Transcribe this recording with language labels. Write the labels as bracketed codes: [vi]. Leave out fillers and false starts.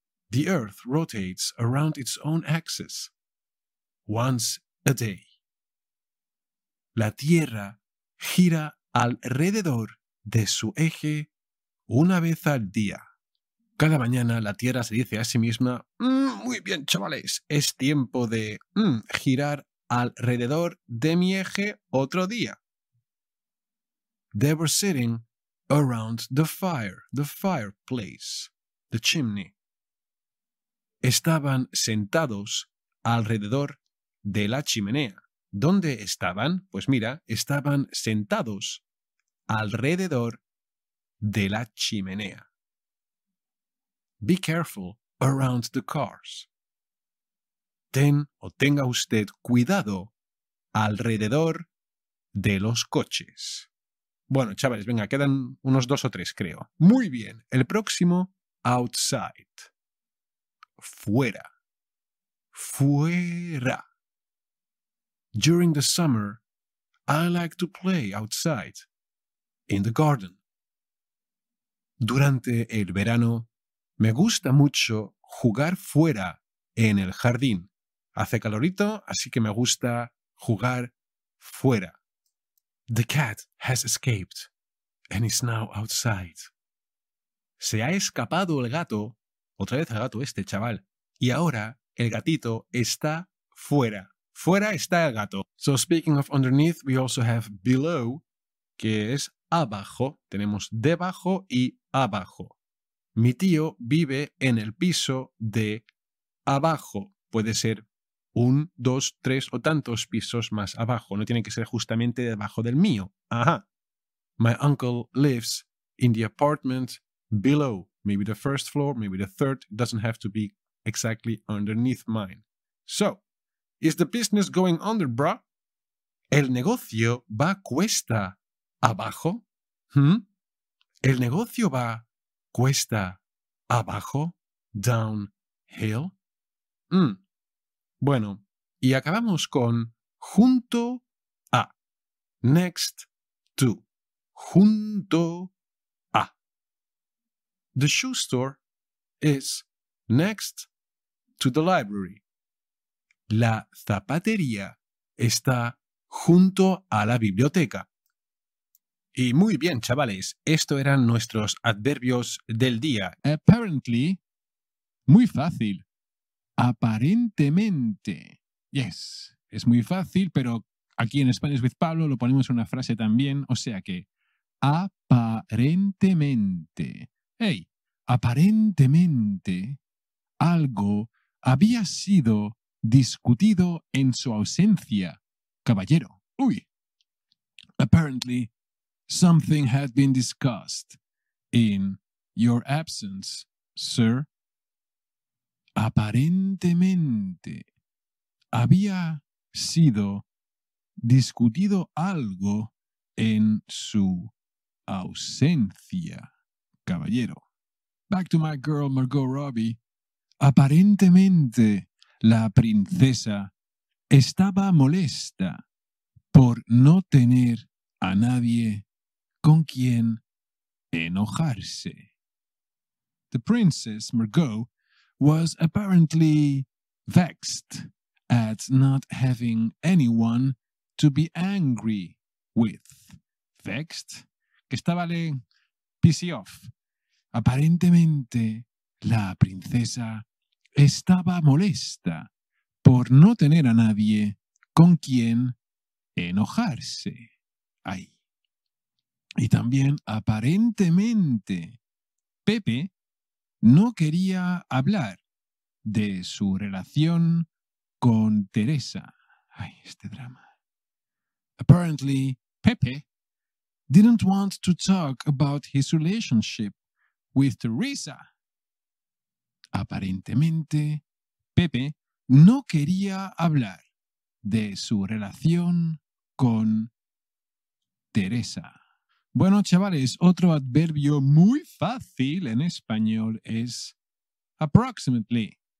[en] The earth rotates around its own axis. Once a day. [es] La tierra gira alrededor de su eje una vez al día. Cada mañana la tierra se dice a sí misma, muy bien, chavales, es tiempo de girar alrededor de mi eje otro día. [en] They were sitting around the fireplace, the chimney. [es] Estaban sentados alrededor de la chimenea. ¿Dónde estaban? Pues mira, estaban sentados alrededor de la chimenea. [en] Be careful around the cars. [es] Ten o tenga usted cuidado alrededor de los coches. Bueno, chavales, venga, quedan unos dos o tres, creo. Muy bien. El próximo, outside. Fuera. Fuera. [en] During the summer, I like to play outside, in the garden. [es] Durante el verano, me gusta mucho jugar fuera en el jardín. Hace calorito, así que me gusta jugar fuera. [en] The cat has escaped and is now outside. [es] Se ha escapado el gato, otra vez el gato este, chaval, y ahora el gatito está fuera. Fuera está el gato. [en] So speaking of underneath, we also have below, [es] que es abajo. Tenemos debajo y abajo. Mi tío vive en el piso de abajo. Puede ser un, dos, tres o tantos pisos más abajo. No tiene que ser justamente debajo del mío. Ajá. [en] My uncle lives in the apartment below. Maybe the first floor, maybe the third. It doesn't have to be exactly underneath mine. So, is the business going under, bro? [es] ¿El negocio va cuesta abajo? ¿Hm? ¿El negocio va cuesta abajo? [en] Downhill? ¿Hm? [es] Bueno, y acabamos con junto a. [en] Next to. [es] Junto a. [en] The shoe store is next to the library. [es] La zapatería está junto a la biblioteca. Y muy bien, chavales, esto eran nuestros adverbios del día. Apparently, muy fácil. Aparentemente. Yes, es muy fácil, pero aquí en Spanish with Pablo lo ponemos en una frase también, o sea que aparentemente. Hey, aparentemente algo había sido discutido en su ausencia, caballero. Uy. [en] Apparently, something had been discussed in your absence, sir. [es] Aparentemente, había sido discutido algo en su ausencia, caballero. [en] Back to my girl, Margot Robbie. [es] Aparentemente, la princesa estaba molesta por no tener a nadie con quien enojarse. [en] The princess, Margot, was apparently vexed at not having anyone to be angry with. [es] Vexed? Que estaba le [en] pissy off. [es] Aparentemente, la princesa estaba molesta por no tener a nadie con quien enojarse. Ay. Y también, aparentemente, Pepe no quería hablar de su relación con Teresa. Ay, este drama. [en] Apparently, Pepe didn't want to talk about his relationship with Teresa. [es] Aparentemente, Pepe no quería hablar de su relación con Teresa. Bueno, chavales, otro adverbio muy fácil en español es approximately.